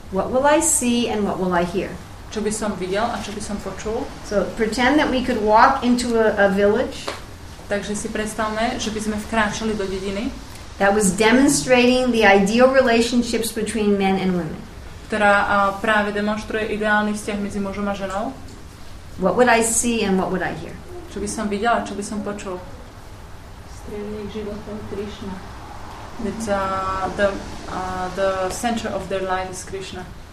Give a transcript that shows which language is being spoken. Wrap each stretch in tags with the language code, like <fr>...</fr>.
<en>What will I see and what will I hear?</en> <sk>Čo by som videl a čo by som počul?</sk> <en>So pretend that we could walk into a village.</en> <sk>Takže si predstavme, že by sme vkráčali do dediny.</sk> <en>That was demonstrating the ideal relationships between men and women.</en> <sk>Ktorá práve demonstruje ideálny vzťah medzi mužom a ženou.</sk> <en>What would I see and what would I hear?</en> <sk>Čo by som videl a čo by som počul? Stredník životom Krishna.</sk> <en>That the center of their life is Krishna.</en>